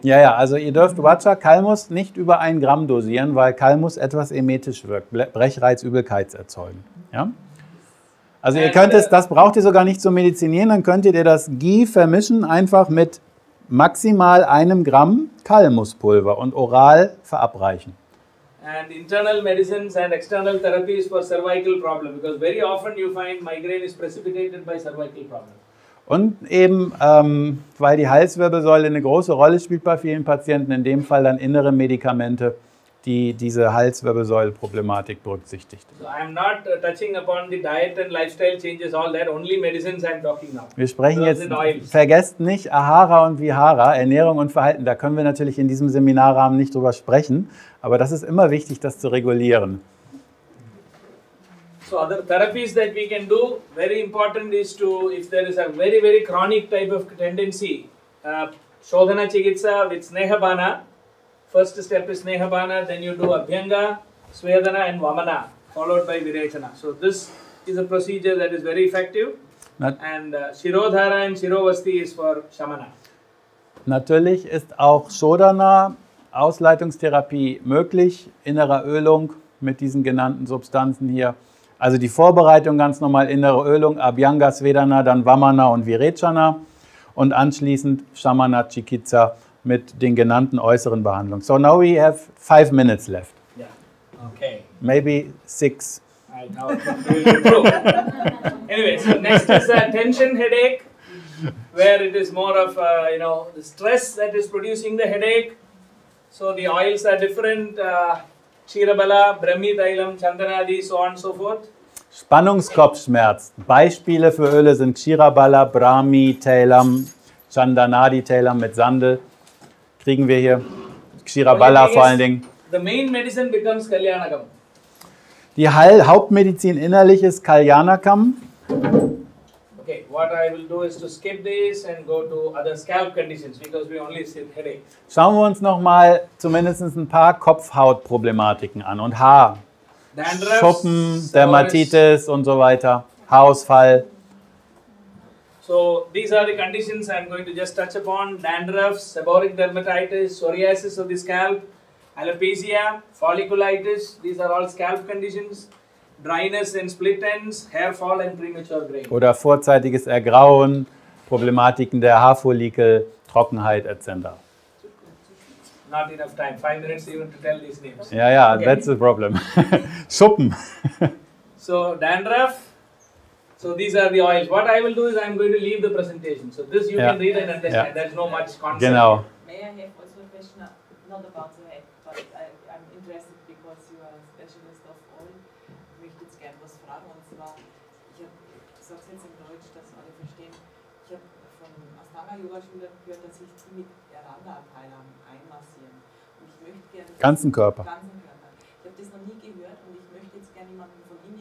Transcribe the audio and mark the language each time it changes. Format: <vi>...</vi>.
<de>Ja, ja, also ihr dürft Vacha Kalmus nicht über 1 gram dosieren, weil Kalmus etwas emetisch wirkt, Brechreiz, Übelkeits erzeugen. Ja? Also ihr könnt es, das braucht ihr sogar nicht zu medizinieren, dann könntet ihr das Ghee vermischen einfach mit maximal 1 gram Kalmuspulver und oral verabreichen.</de> <en>And internal medicines and external therapies for cervical problem, because very often you find migraine is precipitated by cervical problem.</en> <de>Und eben, weil die Halswirbelsäule eine große Rolle spielt bei vielen Patienten, in dem Fall dann innere Medikamente, die diese Halswirbelsäule-Problematik berücksichtigt. Wir sprechen jetzt, vergesst nicht Ahara und Vihara, Ernährung und Verhalten. Da können wir natürlich in diesem Seminarrahmen nicht drüber sprechen, aber das ist immer wichtig, das zu regulieren.</de> <en>So other therapies that we can do, very important is to, if there is a very, very chronic type of tendency, Shodhana Chigitsa with Snehabana. First step is Snehabana, then you do Abhyanga, Swedana and Vamana, followed by Virechana. So this is a procedure that is very effective. Shirodhara and Shirovasti is for Shamana.</en> <de>Natürlich ist auch Shodhana, Ausleitungstherapie, möglich, innere Ölung mit diesen genannten Substanzen hier. Also die Vorbereitung ganz normal, innere Ölung, Abhyanga, Swedana, dann Vamana und Virechana und anschließend Shamana, Chikitsa. Mit den genannten äußeren Behandlungen.</de> <en>So now we have 5 minutes left. Yeah. Okay. Maybe 6. I doubt it. Anyway, so next is a tension headache, where it is more of the stress that is producing the headache. So the oils are different. Chirabala, Brahmi Tailam, Chandanadi, so on and so forth.</en> <de>Spannungskopfschmerz. Beispiele für Öle sind Chirabala, Brahmi Tailam, Chandanadi Tailam mit Sandel. Kriegen wir hier Kshirabala vor allen Dingen.</de> <en>The main medicine becomes Kalyanakam.</en> <de>Die Hauptmedizin innerlich ist Kalyanakam.</de> <en>Okay, what I will do is to skip this and go to other scalp conditions, because we only see headache.</en> <de>Schauen wir uns nochmal zumindest ein paar Kopfhautproblematiken an und Haar.</de> <en>Dandruff,</en> <de>Schuppen, Dermatitis und so weiter, Haarausfall.</de> <en>So these are the conditions I'm going to just touch upon: dandruff, seborrheic dermatitis, psoriasis of the scalp, alopecia, folliculitis. These are all scalp conditions. Dryness and split ends, hair fall and premature grey.</en> <de>Oder vorzeitiges Ergrauen, Problematiken der Haarfollikel, Trockenheit etc.</de> <en>Not enough time. 5 minutes even to tell these names. Yeah, yeah, okay. That's the problem. Schuppen. So dandruff. So these are the oils. What I will do is I'm going to leave the presentation. So this you can read and understand. Yeah. There's no much concept.</en> <de>Genau.</de> <en>May I have also a question? Not about the head, but I'm interested because you are a specialist of oil.</en> <de>Ich möchte jetzt gerne was fragen. Und zwar, ich sage es jetzt in Deutsch, dass alle verstehen. Ich habe von Astanga-Yoga-Schüler gehört, dass sich die mit Aranda-Teilen einmassieren. Und ich möchte gerne... Ganzen Körper. Ganzen Körper. Ich habe das noch nie gehört und ich möchte jetzt gerne jemanden von Ihnen...</de>